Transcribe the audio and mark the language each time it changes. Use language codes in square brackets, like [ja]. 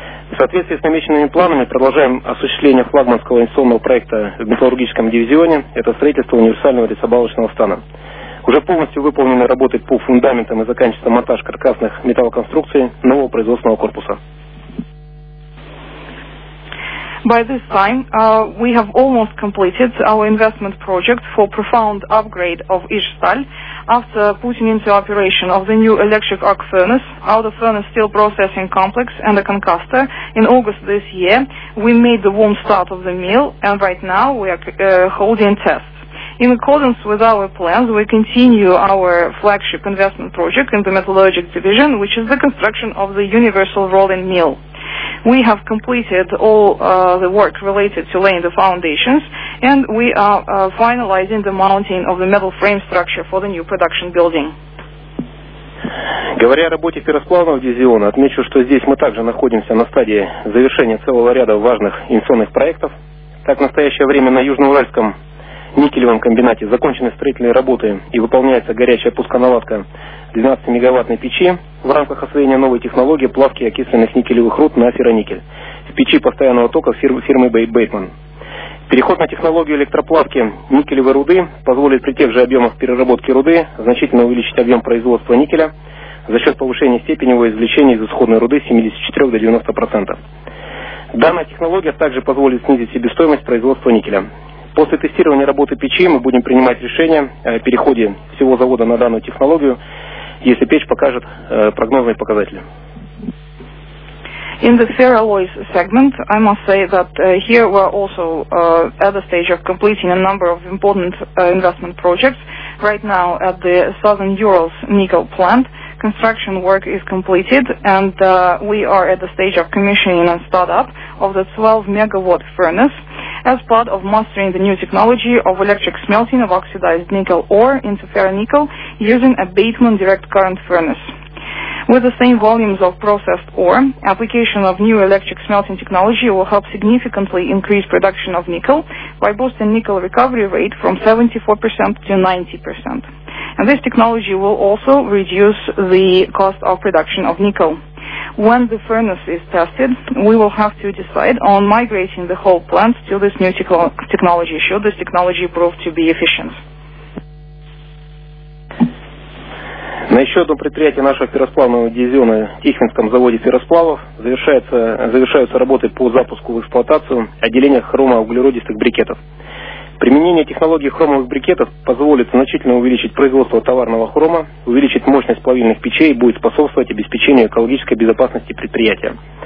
[ru] В соответствии с намеченными планами продолжаем осуществление флагманского инвестиционного проекта в металлургическом дивизионе, это строительство универсального рисобалочного стана. Уже полностью выполнены работы по фундаментам и заканчивается монтаж каркасных металлоконструкций нового производственного корпуса. [en] By this time, we have almost completed our investment project for profound upgrade of Ishstal. After putting into operation of the new electric arc furnace, outer furnace steel processing complex and a concaster, in August this year, we made the warm start of the mill and right now we are holding tests. In accordance with our plans, we continue our flagship investment project in the metallurgic division, which is the construction of the universal rolling mill. We have completed all the work related to laying the foundations, and we are finalizing the mounting of the metal frame structure for the new production building. [ru] Говоря о работе ферросплавного дивизиона, отмечу, что здесь мы также находимся на стадии завершения целого ряда важных инвестиционных проектов. Так, в настоящее время на Южноуральском никелевом комбинате закончены строительные работы и выполняется горячая пусконаладка 12-мегаваттной печи в рамках освоения новой технологии плавки окисленных никелевых руд на ферроникель в печи постоянного тока фирмы Бейтман. Переход на технологию электроплавки никелевой руды позволит при тех же объемах переработки руды значительно увеличить объем производства никеля за счет повышения степени его извлечения из исходной руды с 74 до 90%. Данная технология также позволит снизить себестоимость производства никеля. После тестирования работы печи мы будем принимать решение о переходе всего завода на данную технологию, если печь покажет прогнозные показатели. [en] In the ferroalloys segment, I must say that here we are also at the stage of completing a number of important investment projects. Right now at the Southern Urals nickel plant, construction work is completed and we are at the stage of commissioning and startup of the 12-megawatt furnace as part of mastering the new technology of electric smelting of oxidized nickel ore into ferronickel using a Bateman direct current furnace. With the same volumes of processed ore, application of new electric smelting technology will help significantly increase production of nickel by boosting nickel recovery rate from 74% to 90%. And this technology will also reduce the cost of production of nickel. When the furnace is tested, we will have to decide on migrating the whole plant to this new technology, should this technology prove to be efficient. [ru] На еще одном предприятии нашего ферросплавного дивизиона, Тихвинском заводе ферросплавов, завершаются работы по запуску в эксплуатацию отделения хромоуглеродистых брикетов. Применение технологии хромовых брикетов позволит значительно увеличить производство товарного хрома, увеличить мощность плавильных печей и будет способствовать обеспечению экологической безопасности предприятия.